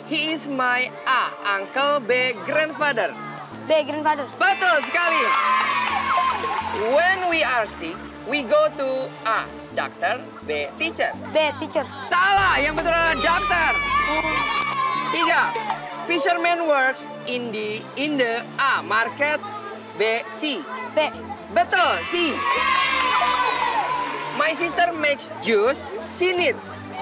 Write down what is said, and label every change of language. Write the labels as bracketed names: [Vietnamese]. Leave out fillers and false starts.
[English] He is my A, uncle, B, grandfather. B, grandfather. [Indonesian] Betul sekali. [English] When we are sick, we go to A, doctor, B, teacher. B, teacher. [Indonesian] Salah, yang betul adalah doctor. 3. [English] Fisherman works in the A, market, B, sea. B. [Indonesian] Betul, sea. [English] My sister makes juice, she needs.